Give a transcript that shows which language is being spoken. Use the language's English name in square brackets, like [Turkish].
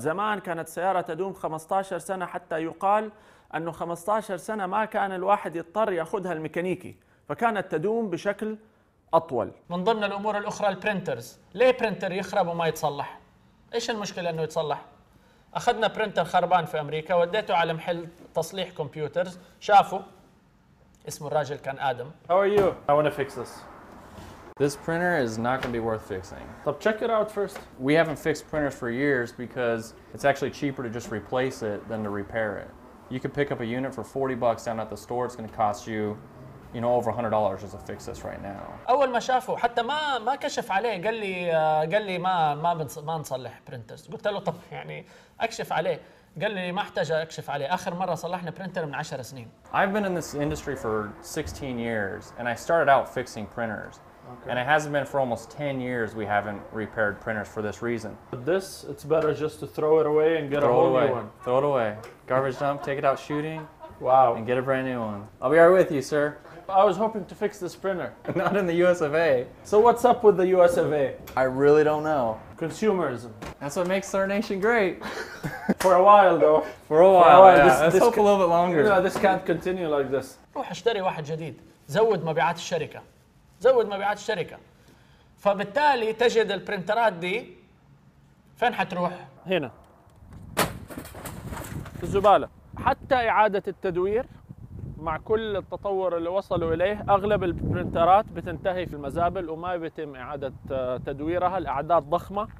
[Arabic] زمان كانت سيارة تدوم 15 سنة، حتى يقال أنه 15 سنة ما كان الواحد يضطر يأخذها الميكانيكي، فكانت تدوم بشكل أطول. من ضمن الأمور الأخرى البرينترز، ليه برينتر يخرب وما يتصلح؟ إيش المشكلة أنه يتصلح؟ أخذنا برينتر خربان في أمريكا وديته على محل تصليح كمبيوترز، شافوا، اسم الراجل كان آدم. [English] How are you? I want to fix this. This printer is not going to be worth fixing. طب check it out first. We haven't fixed printers for years because it's actually cheaper to just replace it than to repair it. You could pick up a unit for 40 bucks down at the store. It's going to cost you, you know, over $100 just to fix this right now. [Arabic] أول ما شافه حتى ما كشف عليه، قال لي ما نصلح برينترز. قلت له طب يعني أكشف عليه، قال لي ما احتاج أكشف عليه، آخر مرة صلحنا برينتر من 10 سنين. [English] I've been in this industry for 16 years and I started out fixing printers. Okay. And it hasn't been for almost 10 years we haven't repaired printers for this reason. But this, it's better just to throw it away and get throw a whole new one. Throw it away. Garbage dump, take it out shooting. Wow. And get a brand new one. I'll be right with you, sir. I was hoping to fix this printer. Not in the US of A. So what's up with the US of A? I really don't know. Consumerism. That's what makes our nation great. For a while though. For a while, yeah. Let's hope a little bit longer. You know, this can't continue like this. [Arabic] روح اشتري واحد جديد. زود مبيعات الشركة. زود مبيعات الشركة. فبالتالي تجد البرينترات دي فين حتروح؟ هنا. الزبالة. حتى إعادة التدوير مع كل التطور اللي وصلوا إليه، أغلب البرينترات بتنتهي في المزابل وما بيتم إعادة تدويرها، الأعداد ضخمة.